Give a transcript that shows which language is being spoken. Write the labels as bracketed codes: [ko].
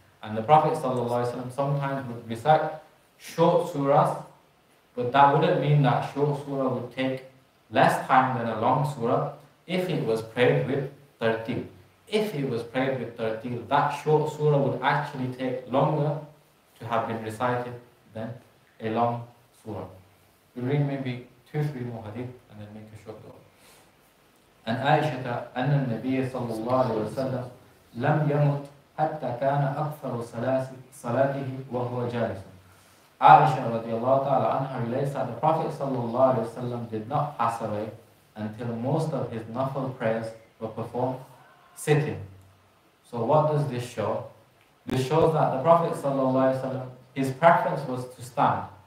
[en] And the Prophet ﷺ sometimes would recite short surahs, but that wouldn't mean that short surah would take less time than a long surah if it was prayed with tartil. If it was prayed with tartil, that short surah would actually take longer to have been recited than a long surah. We'll read maybe 2-3 more hadith and then make a short dua. And Aisha, [ar] أن النبي صلى الله عليه وسلم لم يمت حتى كان أكثر صلاته وهو جالس. [en] Aisha [ar] رضي الله تعالى عنها [en] relates that the Prophet [ar] صلى الله عليه وسلم [en] did not pass away until most of his nafl prayers were performed sitting. So what does this show? This shows that the Prophet ﷺ, his preference was to stand.